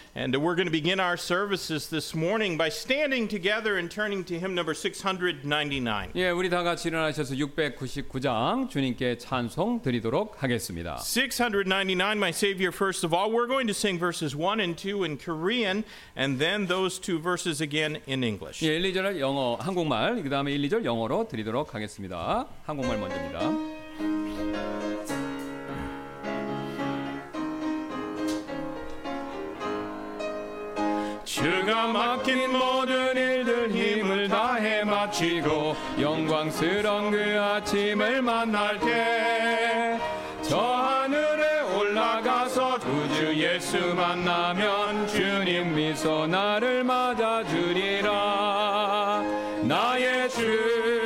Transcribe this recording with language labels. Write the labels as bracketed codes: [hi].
[en] And we're going to begin our services this morning by standing together and turning to hymn number 699. [ko] 예, 우리 다 같이 일어나셔서 699장 주님께 찬송 드리도록 하겠습니다. [en] 699, my Savior, first of all, we're going to sing verses 1 and 2 in Korean, and then those two verses again in English. [ko] 예, 1, 2절 영어, 한국말, 그 다음에 1, 2절 영어로 드리도록 하겠습니다. 한국말 먼저입니다. 주가 맡긴 모든 일들 힘을 다해 마치고 영광스러운 그 아침을 만날 때 저 하늘에 올라가서 두 주 예수 만나면 주님 미소 나를 맞아주리라 나의 주